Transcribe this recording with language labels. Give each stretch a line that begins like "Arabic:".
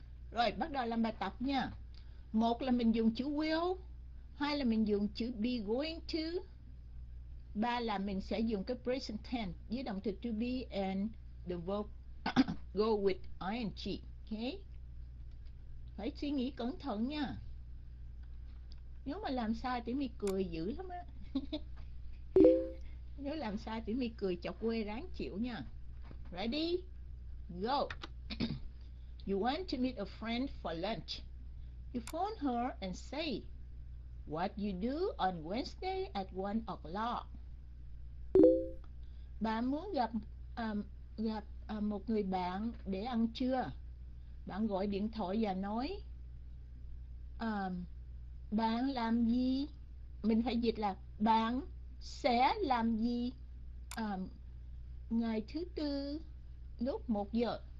Vietnamese: Rồi bắt đầu làm bài tập nha. Một là mình dùng chữ will, hai là mình dùng chữ be going to, ba là mình sẽ dùng cái present tense với động từ to be
English: and the verb go with ing.
Vietnamese: Okay. Phải suy nghĩ cẩn thận nha. Nếu mà làm sai thì mày cười dữ lắm á. Nếu làm sai thì mày cười chọc quê ráng chịu nha.
English: Ready? Go. You want to meet a friend for lunch. You phone her and say, what you do on Wednesday at 1 o'clock?
Vietnamese: Bà muốn gặp gặp một người bạn để ăn trưa. Bạn gọi điện thoại và nói, bạn làm gì? Mình phải dịch là bạn sẽ làm gì ngày thứ tư lúc 1 giờ?